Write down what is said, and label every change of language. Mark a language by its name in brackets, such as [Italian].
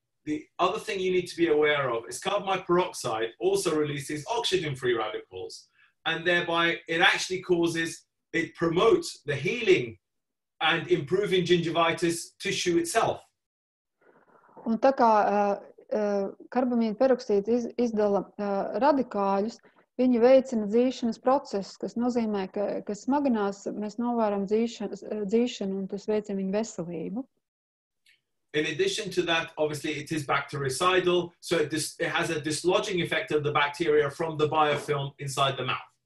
[English] The other thing you need to be aware of is carbamide peroxide also releases oxygen-free radicals, and thereby it actually causes, it promotes the healing and improving gingivitis tissue itself. [Latvian] Un tā kā karbamīda peroksīds izdala radikāļus, viņi veicina dzīšanas procesus, kas nozīmē, ka smaganās mēs novēram dzīšanu un tas veicina viņu veselību. [English] In addition to that, obviously it is bactericidal, so it has a dislodging effect of the bacteria from the biofilm inside the mouth.